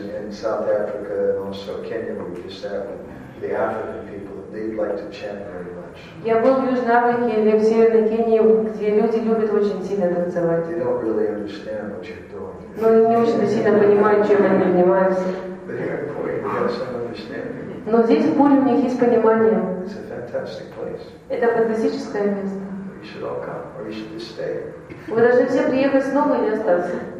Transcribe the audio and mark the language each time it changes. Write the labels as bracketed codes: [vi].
[en] South Africa and also Kenya, we just have the African people, they'd like to chant very much. [ru] Я был в Южной Африке или в Северной Кении, где люди любят очень сильно танцевать. [en] They don't really understand what you're doing. [ru] Но они не очень сильно понимают, чем они занимаются. [en] But here in Puri, we have some understanding. [ru] Но здесь в Пури у них есть понимание. [en] It's a fantastic place. [ru] Это фантастическое место. [en] You should all come, or you should just stay. [ru] Вы должны все приехать снова или остаться.